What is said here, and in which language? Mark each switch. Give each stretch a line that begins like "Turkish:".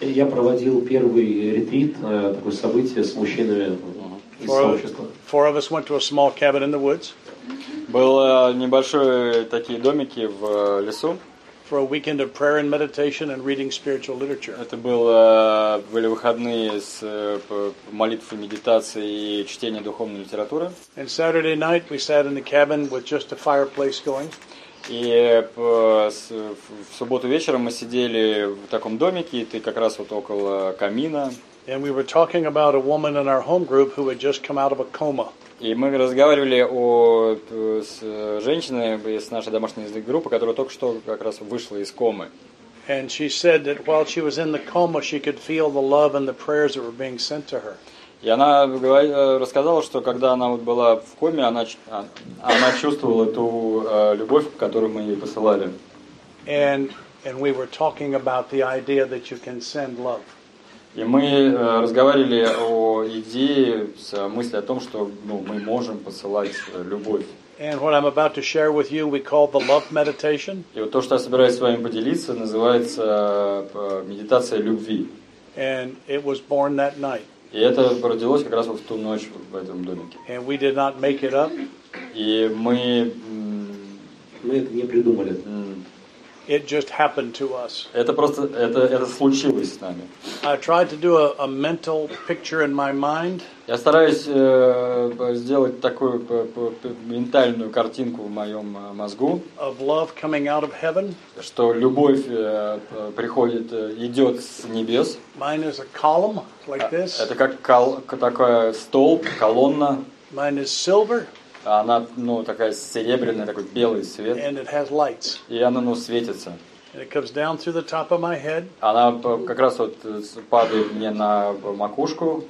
Russian: проводил первый ретрит, такое событие с мужчинами из сообщества.
English: Four of us went to a small cabin in the woods.
Russian: Было небольшие такие домики в лесу.
English: For a weekend of prayer and meditation and reading spiritual literature.
Russian: Это были выходные с молитвой, медитацией и чтением духовной литературы.
English: And Saturday night we sat in the cabin with just a fireplace going.
Russian: И в субботу вечером мы сидели в таком домике, и ты как раз вот около камина.
English: And we were talking about a woman in our home group who had just come out of a coma.
Russian: И мы разговаривали с женщиной из нашей домашней группы, которая только что как раз вышла из комы.
English: And she said that while she was in the coma, she could feel the love and the prayers that were being sent to her.
Russian: И она рассказала, что когда она вот была в коме, она чувствовала ту любовь, которую мы ей посылали.
English: And we were talking about the idea that you can send love.
Russian: И мы разговаривали о идее, с мыслью о том, что ну, мы можем посылать любовь.
English: And what I'm about to share with you, we call the love meditation.
Russian: И вот то, что я собираюсь с вами поделиться, называется медитация любви.
English: And it was born that night.
Russian: И это родилось как раз вот в ту ночь в этом домике.
English: And we did not make it up.
Russian: И мы это не придумали.
English: It just happened to us.
Russian: Это случилось с нами.
English: I tried to do a mental picture in my mind.
Russian: Я стараюсь сделать такую ментальную картинку в моем мозгу.
English: Of love coming out of heaven.
Russian: Что любовь приходит, идет с небес.
English: Mine is a column like this.
Russian: Это как такой столб, колонна.
English: Mine is silver.
Russian: Она, ну, такая серебряная, такой белый свет.
English: And it has lights.
Russian: И она, ну, светится.
English: And it comes down through the top of my head.
Russian: Она как раз вот падает мне на макушку.